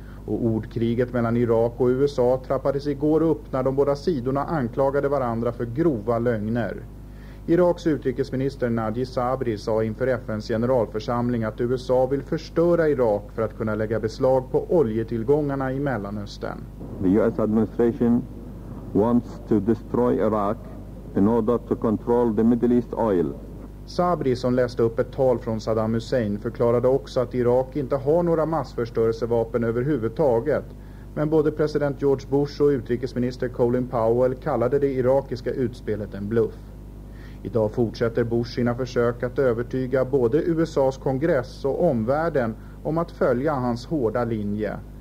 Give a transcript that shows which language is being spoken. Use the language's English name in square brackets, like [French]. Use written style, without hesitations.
[Swedish] Och ordkriget mellan Irak och USA trappades igår upp när de båda sidorna anklagade varandra för grova lögner. Iraks utrikesminister Naji Sabri sa inför FNs generalförsamling att USA vill förstöra Irak för att kunna lägga beslag på oljetillgångarna i Mellanöstern. [English] The US administration wants to destroy Iraq in order to control the Middle East oil. [Swedish] Sabri, som läste upp ett tal från Saddam Hussein, förklarade också att Irak inte har några massförstörelsevapen överhuvudtaget. Men både president George Bush och utrikesminister Colin Powell kallade det irakiska utspelet en bluff. Idag fortsätter Bush sina försök att övertyga både USAs kongress och omvärlden om att följa hans hårda linje.